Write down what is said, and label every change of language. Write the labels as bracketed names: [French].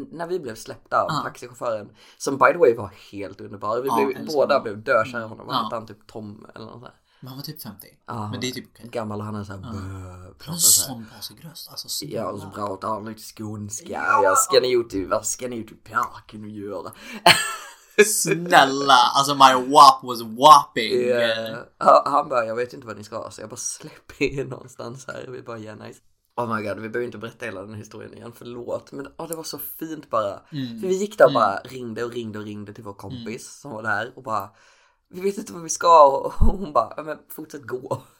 [Swedish] När vi blev släppta av taxichauffören, som [English] by the way [Swedish] var helt underbar, vi blev, båda blev dödkär av honom. Han hette han typ Tom eller något sådär. Men han var typ 50, men det är typ okej. Gammal, han är såhär bööö. Han pratar såhär lite skånska. Jag ska ni ut i, vad ska ni ut i parken och göra? Snälla, alltså [English] my wap was whopping. [Swedish] Han bara, jag vet inte vad ni ska, så jag bara släpper någonstans här. Vi bara, [English] yeah nice. Oh my god, [Swedish] vi behöver inte berätta hela den historien igen, förlåt. Men det var så fint bara. Mm. För vi gick där och bara ringde och ringde och ringde till vår kompis som var där. Och bara, vi vet inte vad vi ska. Och hon bara, men fortsätt gå.